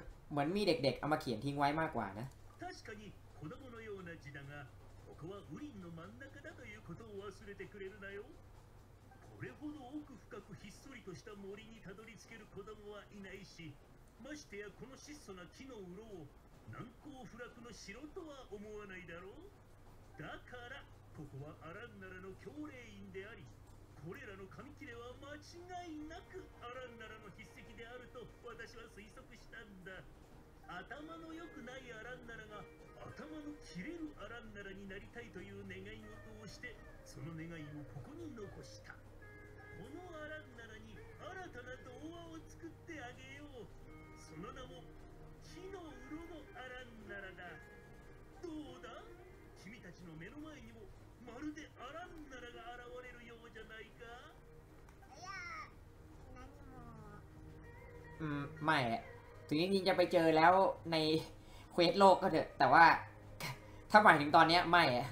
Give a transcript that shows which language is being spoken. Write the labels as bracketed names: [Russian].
[Thai] เหมือนมีเด็กๆเอามาเขียนทิ้งไว้มากกว่านะ [Japanese] 確かに子供のような字だがここはウリンの真ん中だということを忘れてくれるなよこれほど奥深くひっそりとした森にたどり着ける子供はいないしましてやこの質素な木の裏を難攻不落の城とは思わないだろう。だからここはアランナラの強霊院であり、これらの紙切れは間違いなくアランナラの筆跡であると私は推測したんだ。頭の良くないアランナラが頭の切れるアランナラになりたいという願い事をしてその願いをここに残した。このアランナラに新たな童話を作ってあげよう。その名も木の裏のアランナラだ。どうだ？君たちの目の前にもまるでアランナラが現れるようじゃないか？いや、何も。 [Thai] ไม่ถึงจริงจะไปเจอแล้วในเควสโลกก็เถอะแต่ว่าถ้าหมายถึงตอนนี้ไม่